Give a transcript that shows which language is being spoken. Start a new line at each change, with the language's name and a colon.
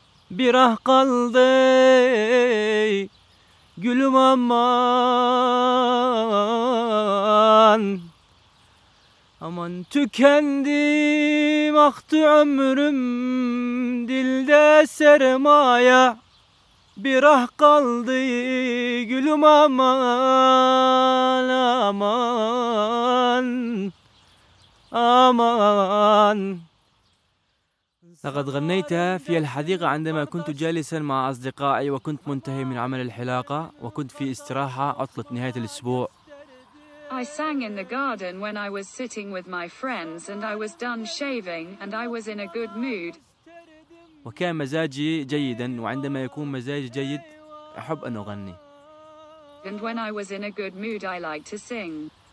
Turkish: bir ah kaldı, gülüm aman, aman tükendi mahtı ömrüm, dilde sermaya. Bir ah kaldı gülüm aman aman aman.
Arabic: لقد غنيتها في الحديقة عندما كنت جالسا مع أصدقائي وكنت منتهي من عمل الحلاقة وكنت في استراحة عطلة نهاية الأسبوع.
English: I sang in the garden when I was sitting with my friends and I was done shaving and I was in a good mood.
Arabic: وكان مزاجي جيدا وعندما يكون مزاج جيد أحب أن أغني.
English: And when I was in a good mood I like to sing.